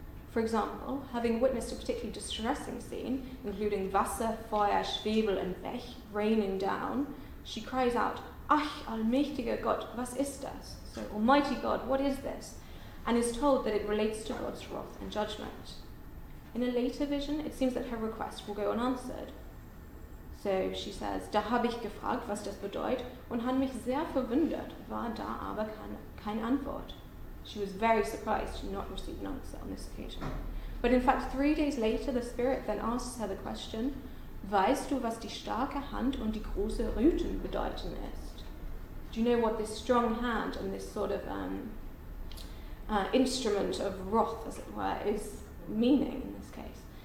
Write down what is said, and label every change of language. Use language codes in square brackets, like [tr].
[en] For example, having witnessed a particularly distressing scene, including [de] Wasser, Feuer, Schwefel, [en] and [de] Pech [en] raining down, she cries out, [de] Ach, allmächtiger Gott, was ist das? [en] So, Almighty God, what is this? And is told that it relates to God's wrath and judgment. In a later vision, it seems that her request will go unanswered. So she says, [de] da habe ich gefragt, was das bedeutet, und han mich sehr verwundert, war da aber kein Antwort. [en] She was very surprised to not receive an answer on this occasion. But in fact, 3 days later, the spirit then asks her the question, [de] weißt du, was die starke Hand und die große Rüten bedeuten ist? [en] Do you know what this strong hand and this sort of instrument of wrath, as it were, is meaning in this case?